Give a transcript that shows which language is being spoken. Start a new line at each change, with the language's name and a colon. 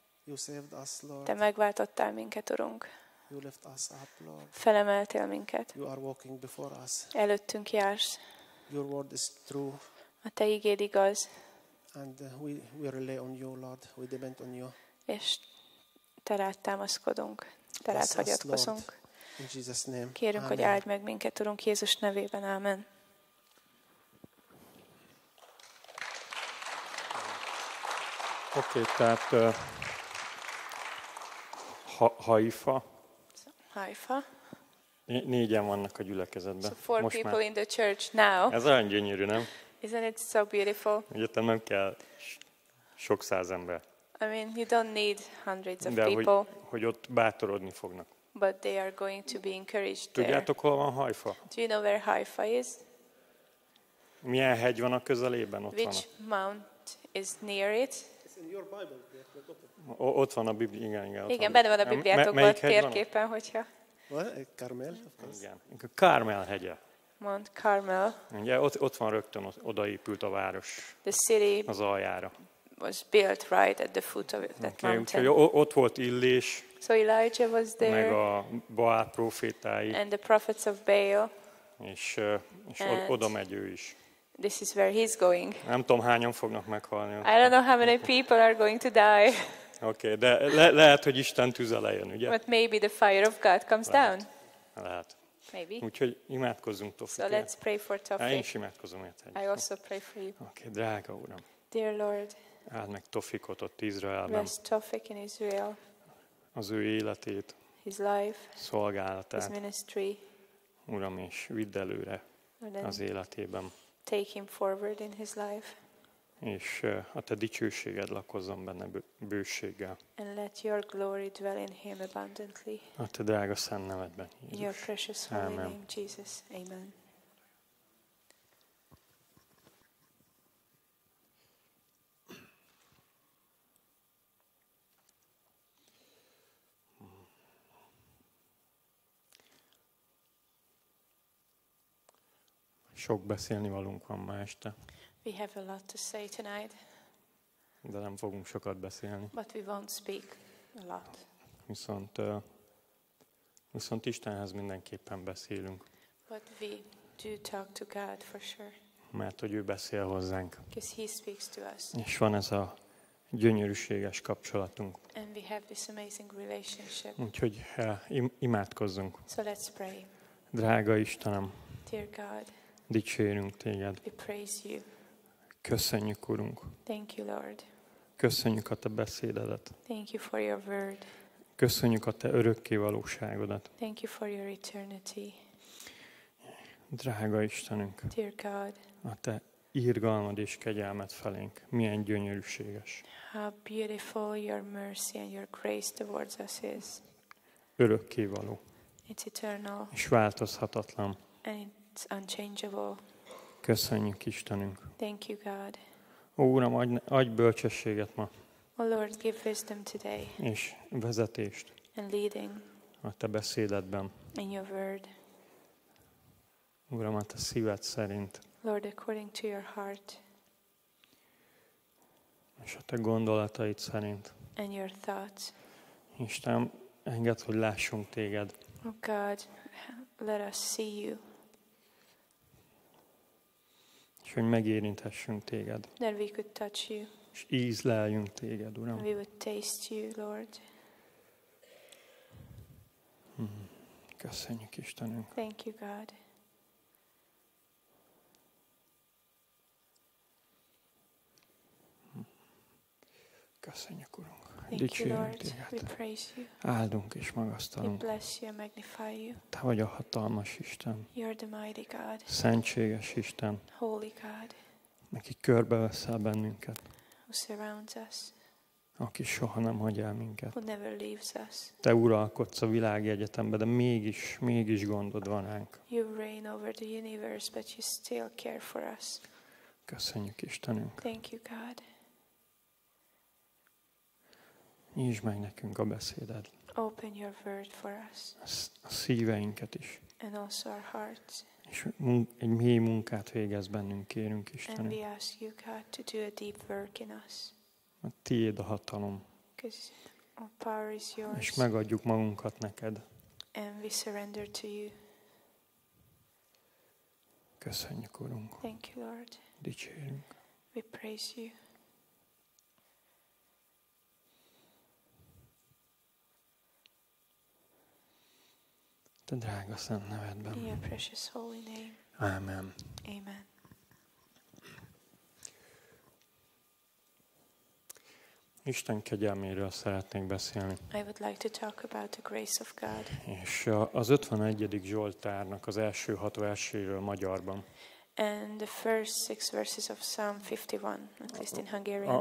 English: You saved us Lord.
Hungarian: Te megváltottál minket Urunk.
English: You lift us up Lord.
Hungarian: Felemeltél minket.
English: You are walking before us.
Hungarian: Előttünk jársz.
English: Your word is true.
Hungarian: A te ígéd igaz.
English: And we rely on you Lord, we depend on you.
Hungarian: És te rád támaszkodunk, te rád hagyatkozunk. Kérünk, hogy áldj meg minket, Urunk, Jézus nevében. Amen. Oké, tehát Haifa. Haifa. Négyen vannak a gyülekezetben.
English: So four most people már in the church now.
Hungarian: Ez olyan gyönyörű, nem?
English: Isn't it so beautiful?
Hungarian: Egyetem nem kell sok száz ember.
English: I mean, you don't need hundreds of
Hungarian: de,
English: people.
Hungarian: Hogy ott bátorodni fognak.
English: But they are going to be encouraged.
Hungarian: Tudjátok,
English: there.
Hungarian: Hol van Haifa?
English: Do you know where Haifa is?
Hungarian: Milyen hegy van a közelében? Ott
English: which
Hungarian: van
English: mount is near it? It's in your Bible.
Hungarian: Ott van a Biblia. Igen, benne van a Bibliátokban térképen, hogyha.
English: Well, Carmel, of
Hungarian: course. Igen. Carmel hegye.
English: Mount Carmel.
Hungarian: Ugye, ott van rögtön, odaépült a város.
English: The city
Hungarian: az aljára
English: was built right at the foot of that okay, mountain.
Hungarian: Ott volt Illés.
English: So Elijah was there.
Hungarian: Meg a Baál profétái.
English: And the prophets of Baal.
Hungarian: És oda megy ő is.
English: This is where he's going.
Hungarian: Nem tudom, hányan fognak meghalni.
English: I don't know how many people are going to die.
Hungarian: Okay, de lehet, hogy Isten tüze lejön, ugye?
English: But maybe the fire of God comes down.
Hungarian: Lehet.
English: Maybe.
Hungarian: Úgyhogy imádkozzunk Tofikért.
English: So let's pray for Tofik.
Hungarian: Én is imádkozom érted.
English: I also pray for you.
Hungarian: Oké, okay, drága Uram.
English: Dear Lord.
Hungarian: Áld meg Tofikot ott Izraelben.
English: Bless Tofik in Israel.
Hungarian: Az ő életét.
English: His life.
Hungarian: Szolgálatát.
English: His ministry.
Hungarian: Uram, és vidd előre az életében.
English: Take him forward in his life.
Hungarian: És a te dicsőséged lakozzon benne bőséggel.
English: And let your glory dwell in him abundantly.
Hungarian: A te drága szent nevedben, Jézus.
English: In your precious holy name, Jesus. Amen.
Hungarian: Sok beszélni valunk van ma este.
English: We have a lot to say tonight.
Hungarian: De nem fogunk sokat beszélni.
English: But we won't speak a lot.
Hungarian: Viszont Istenhez mindenképpen beszélünk.
English: But we do talk to God for sure.
Hungarian: Mert hogy ő beszél hozzánk.
English: Because he speaks to us.
Hungarian: És van ez a gyönyörűséges kapcsolatunk.
English: And we have this amazing relationship.
Hungarian: Úgyhogy imádkozzunk.
English: So let's pray.
Hungarian: Drága Istenem.
English: Dear God.
Hungarian: Dicsérünk téged.
English: We praise you.
Hungarian: Köszönjük, Urunk.
English: Thank you, Lord.
Hungarian: Köszönjük a te beszédedet.
English: Thank you for your word.
Hungarian: Köszönjük a te örökké valóságodat.
English: Thank you for your eternity.
Hungarian: Drága Istenünk.
English: Dear God.
Hungarian: A te irgalmad és kegyelmed felénk. Milyen gyönyörűséges.
English: How beautiful your mercy and your grace towards us is.
Hungarian: Örökké való.
English: It's eternal.
Hungarian: És változhatatlan.
English: And it's unchangeable.
Hungarian: Köszönjük, Istenünk.
English: Thank you, God.
Hungarian: Ó, Uram, adj bölcsességet ma.
English: O Lord, give wisdom today.
Hungarian: És vezetést.
English: And leading.
Hungarian: A te beszédedben.
English: In your word.
Hungarian: Uram, a te szíved szerint.
English: Lord, according to your heart.
Hungarian: És a te gondolataid szerint.
English: And your thoughts.
Hungarian: Isten, engedd, hogy lássunk téged.
English: O God, let us see you.
Hungarian: És hogy megérinthessünk téged.
English: That we could touch you.
Hungarian: És ízleljünk téged, Uram.
English: We would taste you, Lord.
Hungarian: Köszönjük, Istenünk.
English: Thank you, God.
Hungarian: Köszönjük, Urunk. Dicsérünk téged.
English: We praise you.
Hungarian: Áldunk és magasztalunk.
English: We bless you, magnify you.
Hungarian: Te vagy a hatalmas Isten.
English: You're the mighty God.
Hungarian: Szentséges Isten.
English: Holy God.
Hungarian: Aki körbeveszel bennünket.
English: Who surrounds us.
Hungarian: Aki soha nem hagy el minket.
English: Who never leaves us.
Hungarian: Te uralkodsz a világi egyetemben, de mégis gondod van ránk.
English: You reign over the universe, but you still care for us.
Hungarian: Köszönjük, Istenünk.
English: Thank you, God.
Hungarian: Nyisd meg nekünk a beszédet.
English: Open your word for us.
Hungarian: A szíveinket is.
English: And also our hearts.
Hungarian: És egy mély munkát végez bennünk, kérünk, Istenünk.
English: And we ask you, God, to do a deep work in us.
Hungarian: A tiéd a hatalom.
English: Because our power is yours.
Hungarian: És megadjuk magunkat neked.
English: And we surrender to you.
Hungarian: Köszönjük, Urunk.
English: Thank you, Lord.
Hungarian: Dicsérünk.
English: We praise you.
Hungarian: Te drága szent nevedben.
English: In your precious holy name. Amen. Amen.
Hungarian: Isten kegyelméről szeretnék beszélni.
English: I would like to talk about the grace of God.
Hungarian: És az 51. Zsoltárnak az első 6 verséről magyarban.
English: And the first 6 verses of Psalm 51, at least in Hungarian.